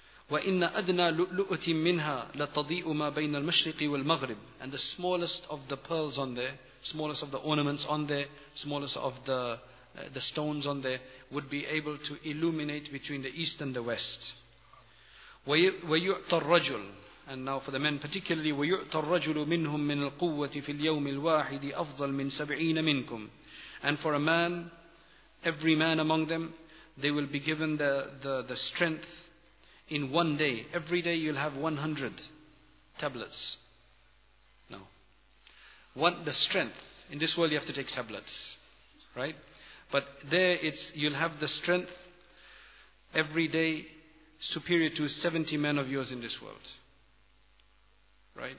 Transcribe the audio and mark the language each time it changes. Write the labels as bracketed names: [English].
[Arabic] وَإِنَّ أَدْنَى لُؤْلُؤَةٍ مِّنْهَا لَتَضِيءُ مَا بَيْنَ الْمَشْرِقِ وَالْمَغْرِبِ. [English] And the smallest of the pearls on there, smallest of the ornaments on there, smallest of the stones on there, would be able to illuminate between the east and the west. [Arabic] وَيُعْطَى الرَّجُلُ. [English] And now for the men particularly, [Arabic] وَيُعْطَى الرَّجُلُ مِنْهُمْ مِنَ الْقُوَّةِ فِي الْيَوْمِ الْوَاحِدِ أَفْضَلٌ مِنْ سَبْعِينَ مِنْكُمْ. [English] And for a man, every man among them, they will be given the strength in one day. Every day you'll have 100 tablets. No. One, the strength. In this world you have to take tablets. Right? But there it's, you'll have the strength every day superior to 70 men of yours in this world. Right?